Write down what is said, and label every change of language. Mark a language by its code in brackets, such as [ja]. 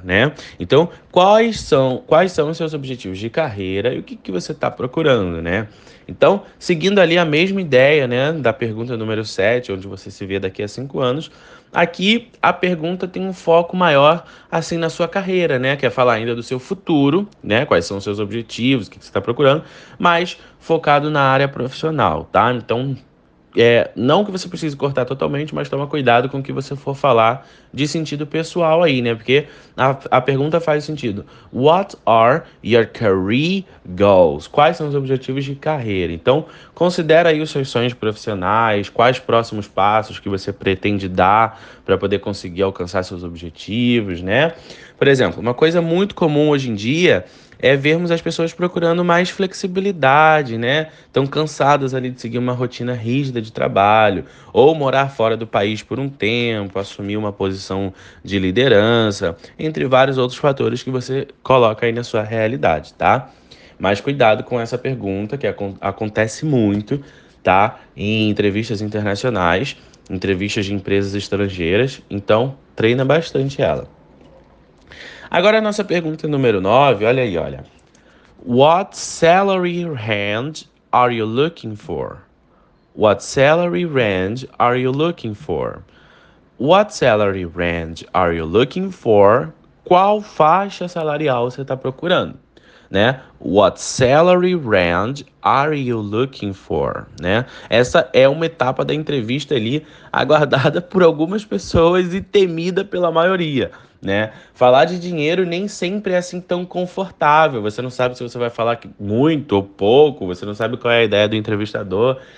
[pt] Né? Então, quais são os seus objetivos de carreira e o que que você está procurando, né? Então, seguindo ali a mesma ideia, né, da pergunta número 7, onde você se vê daqui a 5 anos, aqui a pergunta tem um foco maior assim na sua carreira, né? Quer falar ainda do seu futuro, né? Quais são os seus objetivos, o que você está procurando, mas focado na área profissional, tá? Então, não que você precise cortar totalmente, mas toma cuidado com o que você for falar de sentido pessoal aí, né? Porque a pergunta faz sentido. [en] What are your career goals? [pt] Quais são os objetivos de carreira? Então, considera aí os seus sonhos profissionais, quais próximos passos que você pretende dar para poder conseguir alcançar seus objetivos, né? Por exemplo, uma coisa muito comum hoje em dia é vermos as pessoas procurando mais flexibilidade, né? Estão cansadas ali de seguir uma rotina rígida de trabalho, ou morar fora do país por um tempo, assumir uma posição de liderança, entre vários outros fatores que você coloca aí na sua realidade, tá? Mas cuidado com essa pergunta, que acontece muito, tá? Em entrevistas internacionais, entrevistas de empresas estrangeiras, então treina bastante ela. Agora a nossa pergunta número 9, olha aí, olha. [en] What salary range are you looking for? What salary range are you looking for? What salary range are you looking for? [pt] Qual faixa salarial você está procurando, né? [en] What salary range are you looking for? [pt] Né? Essa é uma etapa da entrevista ali aguardada por algumas pessoas e temida pela maioria, né? Falar de dinheiro nem sempre é assim tão confortável. Você não sabe se você vai falar muito ou pouco, você não sabe qual é a ideia do entrevistador.